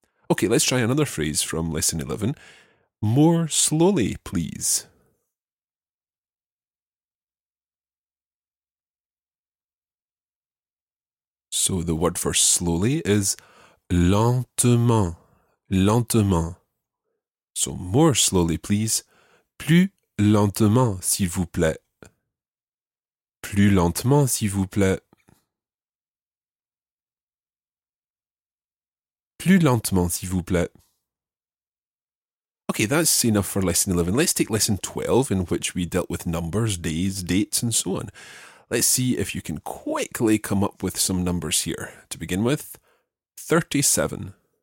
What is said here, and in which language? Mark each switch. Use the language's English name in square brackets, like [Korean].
[English] Okay, let's try another phrase from lesson 11. More slowly, please. So the word for slowly is lentement, lentement. So more slowly, please. [French] Plus lentement, s'il vous plaît. Plus lentement, s'il vous plaît. Plus lentement, s'il vous plaît. [English] Okay, that's enough for lesson 11. Let's take lesson 12, in which we dealt with numbers, days, dates, and so on. Let's see if you can quickly come up with some numbers here. To begin with, 37.